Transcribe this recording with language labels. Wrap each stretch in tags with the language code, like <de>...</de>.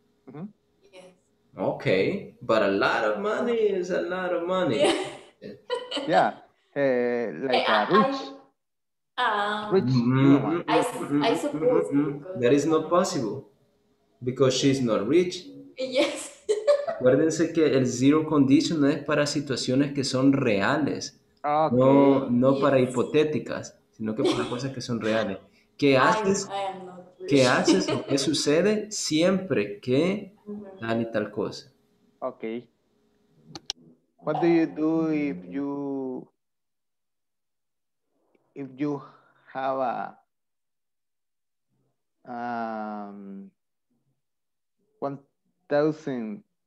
<en>Mm-hmm. Yes. Okay, but a lot of money is a lot of money. Yeah. Yeah. Like a rich. Rich. I suppose. That is not possible because she's not rich. Yes.</en> <es>Acuérdense que el zero condition no es para situaciones que son reales,</es> <en>okay.</en> <es>No, no para hipotéticas, sino que para cosas que son reales. ¿Qué haces? ¿Qué haces o qué sucede siempre que tal y tal cosa?</es> <en>Okay. What do you do if you have a $1,000?</en>